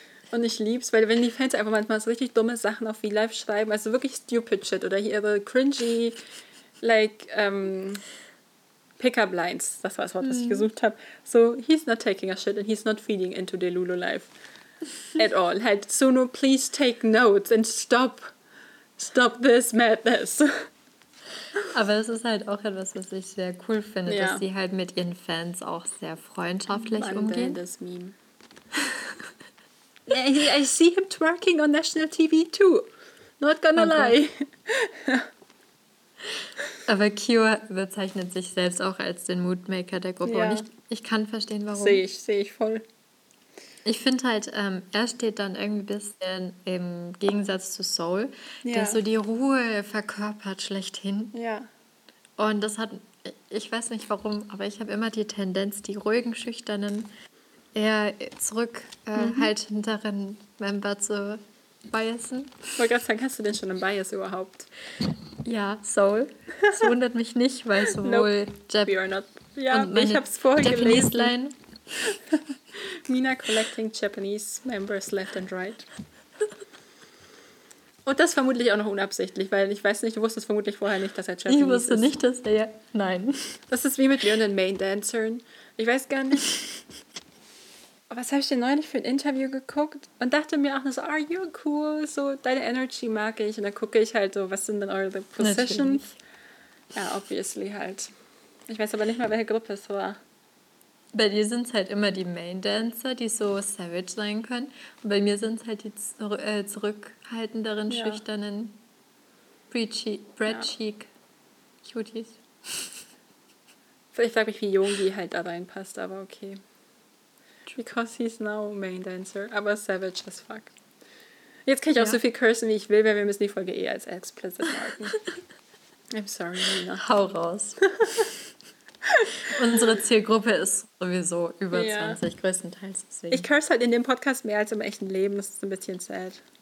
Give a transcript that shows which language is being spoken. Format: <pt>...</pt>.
<de>Und ich lieb's, weil wenn die Fans einfach manchmal so richtig dumme Sachen auf V-Live schreiben, also wirklich</de> <en>stupid shit</en> <de>oder ihre</de> <en>cringy, like, Pickup Lines,</en> <de>das war das Wort, was ich gesucht habe.</de> <en>So, he's not taking a shit and he's not feeding into the Lulu life at all.</en> <de>Halt,</de> <en>Suno, please take notes and stop. Stop this madness.</en> <de>Aber es ist halt auch etwas, was ich sehr cool finde, ja, dass sie halt mit ihren Fans auch sehr freundschaftlich umgehen. Das Meme.</de> <en>I see him twerking on national TV too. Not gonna lie.</en> <de>Aber Kyo bezeichnet sich selbst auch als den Moodmaker der Gruppe. Ja. Und ich kann verstehen, warum. Sehe ich voll. Ich finde halt, er steht dann irgendwie ein bisschen im Gegensatz zu Soul, der so die Ruhe verkörpert schlechthin. Ja. Und das hat, ich weiß nicht warum, aber ich habe immer die Tendenz, die ruhigen, schüchternen, eher zurückhaltenderen Member zu biasen. Oh Gott, dann hast du denn schon einen Bias überhaupt? Ja, Soul. Das wundert mich nicht, weil sowohl</de> <en>Jap- we are not.</en> <de>Ja, ich habe es vorher Japanese gelesen.</de> <en>Mina collecting Japanese members left and right.</en> <de>Und das vermutlich auch noch unabsichtlich, weil ich weiß nicht, du wusstest vermutlich vorher nicht, dass er Japanese ist. Ich wusste nicht, dass er... Nein. Das ist wie mit Leon den Main Dancern. Ich weiß gar nicht. Was habe ich denn neulich für ein Interview geguckt? Und dachte mir auch nur so,</de> <en>are you cool?</en> <de>So, deine Energy mag ich. Und dann gucke ich halt so, was sind denn eure Positions? Ja,</de> <en>obviously</en> <de>halt. Ich weiß aber nicht mal, welche Gruppe es war. Bei dir sind es halt immer die Main-Dancer, die so savage sein können. Und bei mir sind es halt die zurückhaltenderen, schüchternen, Bread-Cheek Cuties. Ich frage mich, wie Yoongi halt da reinpasst, aber okay.</de> <en>Because he's now Main-Dancer,</en> <de>aber</de> <en>savage as fuck.</en> <de>Jetzt kann ich auch so viel cursen, wie ich will, weil wir müssen die Folge eh als explicit marken.</de> <en>I'm sorry, Nina.</en> <de>Hau raus. Unsere Zielgruppe ist sowieso über 20, größtenteils. Deswegen. Ich curse halt in dem Podcast mehr als im echten Leben, das ist ein bisschen sad.</de>